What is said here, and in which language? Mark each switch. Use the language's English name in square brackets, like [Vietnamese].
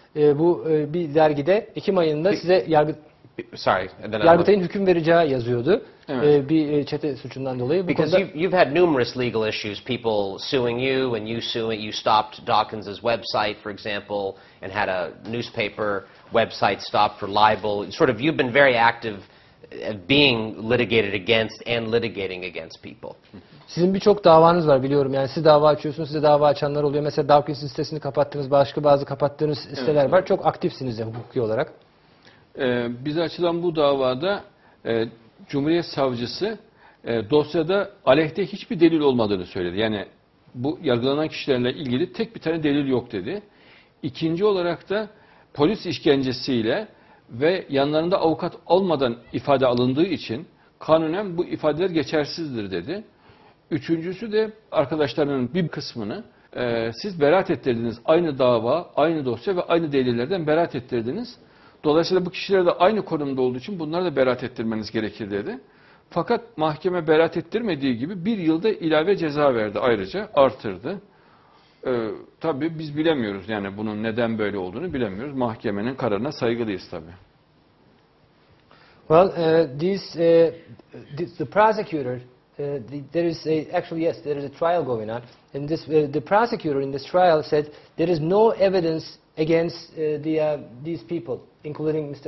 [Turkish] Bu bir dergide Ekim ayında size Yargıtay'ın hüküm vereceği yazıyordu. Evet. Bir çete suçundan dolayı. [English] Because you've had numerous legal issues, people suing you and you suing, you stopped Dawkins's website, for example, and had a newspaper website stopped for libel. Sort of, you've been very active being litigated against and litigating against people. [Turkish] Sizin birçok davanız var biliyorum. Yani siz dava açıyorsunuz, size dava açanlar oluyor. Mesela Dawkins'in sitesini kapattınız, başka bazı kapattığınız siteler evet, var. Çok aktifsiniz de hukuki olarak. Bize açılan bu davada Cumhuriyet Savcısı dosyada aleyhte hiçbir delil olmadığını söyledi. Yani bu yargılanan kişilerle ilgili tek bir tane delil yok dedi. İkinci olarak da polis işkencesiyle ve yanlarında avukat olmadan ifade alındığı için kanunen bu ifadeler geçersizdir dedi. Üçüncüsü de arkadaşlarının bir kısmını siz beraat ettirdiniz. Aynı dava, aynı dosya ve aynı delillerden beraat ettirdiniz. Dolayısıyla bu kişiler de aynı konumda olduğu için bunları da beraat ettirmeniz gerekir dedi. Fakat mahkeme beraat ettirmediği gibi bir yılda ilave ceza verdi ayrıca, artırdı. Tabii biz bilemiyoruz yani bunun neden böyle olduğunu bilemiyoruz. Mahkemenin kararına saygılıyız tabii. [English] Well, the prosecutor, there is a, actually yes, there is a trial going on. And this, the prosecutor in this trial said there is no evidence against these people, including Mr.